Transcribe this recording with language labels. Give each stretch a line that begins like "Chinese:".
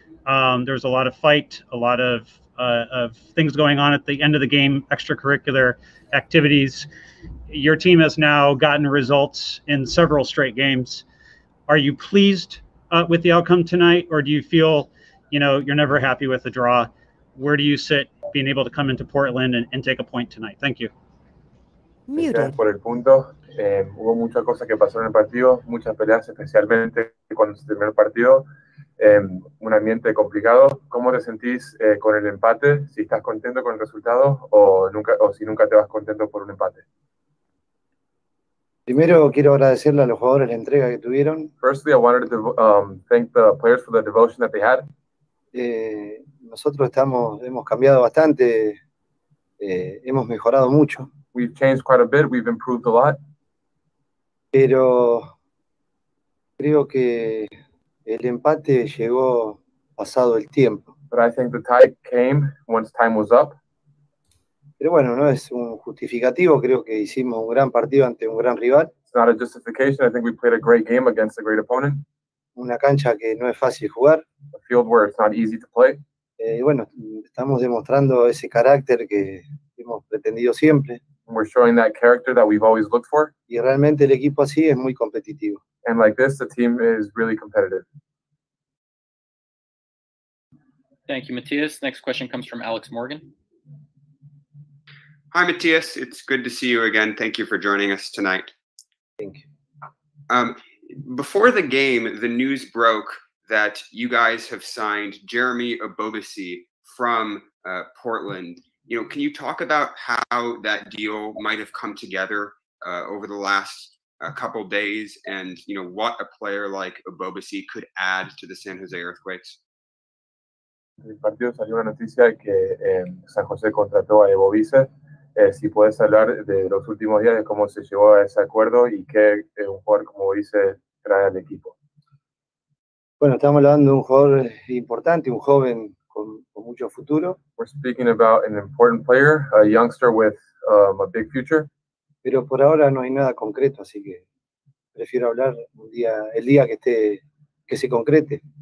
English: There was a lot of fight, a lot of things going on at the end of the game, extracurricular activities. Your team has now gotten results in several straight games. Are you pleased with the outcome tonight, or do you feel, you know, you're never happy with a draw? Where do you sit being able to come into Portland and take a point tonight? Thank you. Muted.
Spanish: Por el punto. Hubo muchas cosas que pasaron en el partido, muchas peleas, especialmente cuando se terminó el partido. Un ambiente complicado. ¿Cómo te sentís con el empate? Si estás contento con el resultado o si nunca te vas contento por un empate. Primero quiero agradecerle a los jugadores la entrega que tuvieron.
English: Firstly, I wanted to thank the players for the devotion that they had.
Spanish: Nosotros hemos cambiado bastante, hemos mejorado mucho.
English: We've changed quite a bit. We've improved a lot.
Spanish: Pero creo que el empate llegó pasado el tiempo.
English: But I think the tie came once time was up.
Spanish: Pero bueno, no es un justificativo. Creo que hicimos un gran partido ante un gran rival.
English: It's not a justification. I think we played a great game against a great opponent.
Spanish: Una cancha que no es fácil jugar.
English: A field where it's not easy to play.
Spanish: Bueno, estamos demostrando ese carácter que hemos pretendido siempre.
English: And we're showing that character that we've always looked for.
Spanish: Y realmente el equipo así es muy competitivo.
English: And like this, the team is really competitive. Thank you, Matias. Next question comes from Alex Morgan. Hi, Matias. It's good to see you again. Thank you for joining us tonight. Thank you. Before the game, the news broke that you guys have signed Jeremy Ebobisse from Portland. You know, can you talk about how that deal might have come together over the last couple days, and you know what a player like Ebobisse could add to the San Jose Earthquakes?
Spanish: El partido salió una noticia de que San Jose contrató a Ebobisse. Si puedes hablar de los últimos días de cómo se llegó a ese acuerdo y qué un jugador como Ebobisse trae al equipo. Bueno, estamos hablando de un jugador importante, un joven con mucho futuro.
English: We're speaking about an important player, a youngster with a big future.
Spanish: Pero por ahora no hay nada concreto, así que prefiero hablar el día que se concrete.